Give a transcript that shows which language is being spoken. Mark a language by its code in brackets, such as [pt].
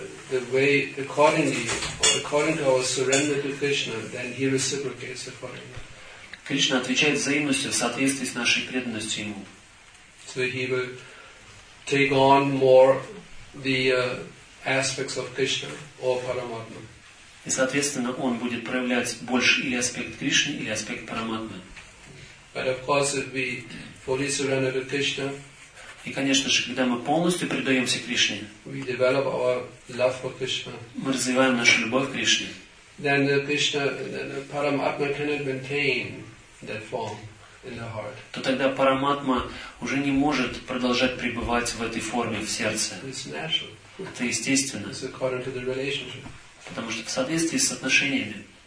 [en] The way accordingly, according to our surrender to Krishna, then he reciprocates accordingly. [ru] Кришна отвечает взаимностью в соответствии с нашей преданностью ему. [en] So he will take on more the aspects of Krishna or Paramatma. [ru] И соответственно он будет проявлять больше или аспект Кришны, или аспект Параматмы. [en] But of course, if we fully surrender to Krishna. [ru] И, конечно же, когда мы полностью предаемся Кришне, [en] we develop our love for Krishna. [ru] Мы развиваем нашу любовь к Кришне. [en] Then the Krishna, the Paramatma cannot maintain that form in the heart. [ru] То тогда Параматма уже не может продолжать пребывать в этой форме в сердце. [en] It's natural. [ru] Это естественно. [en] It's according to the relationship. [ru] Потому что в соответствии с отношениями.